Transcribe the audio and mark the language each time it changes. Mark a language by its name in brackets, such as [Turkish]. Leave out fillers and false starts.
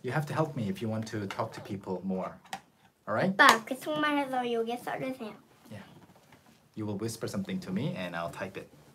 [English] You have to help me if you want to talk to people more. All right? [Korean] 아빠, 계속말해서 여기 써주세요. [English] Yeah. You will whisper something to me and I'll type it.